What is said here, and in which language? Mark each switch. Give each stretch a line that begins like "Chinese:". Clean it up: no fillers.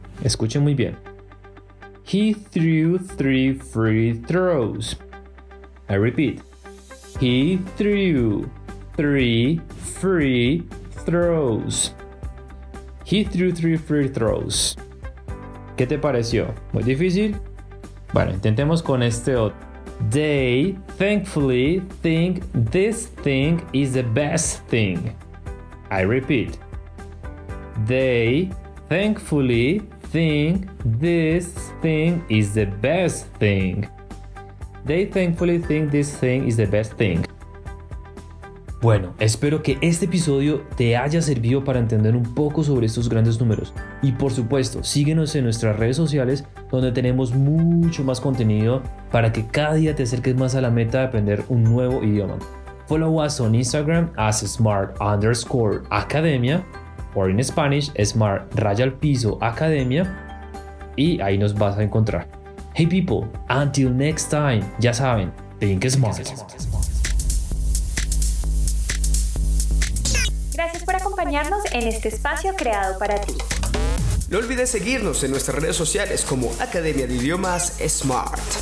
Spanish: Escuchen muy bien.
English: He threw 3 free throws. I repeat. He threw 3 free throws. He threw 3 free throws.
Spanish: ¿Qué te pareció? ¿Muy difícil? Bueno, intentemos con este otro.
English: They thankfully think this thing is the best thing. I repeat. They thankfully think this thing is the best thing. They thankfully think this thing is the best thing.
Spanish: Bueno, espero que este episodio te haya servido para entender un poco sobre estos grandes números. Y por supuesto, síguenos en nuestras redes sociales donde tenemos mucho más contenido para que cada día te acerques más a la meta de aprender un nuevo idioma.
English: Follow us on Instagram as smart_academia o in Spanish smart_academia y ahí nos vas a encontrar. Hey people, until next time,
Spanish: ya saben,
English: think smart.
Spanish: Gracias por acompañarnos en este espacio creado para ti. No olvides seguirnos en nuestras redes sociales como Academia de Idiomas Smart.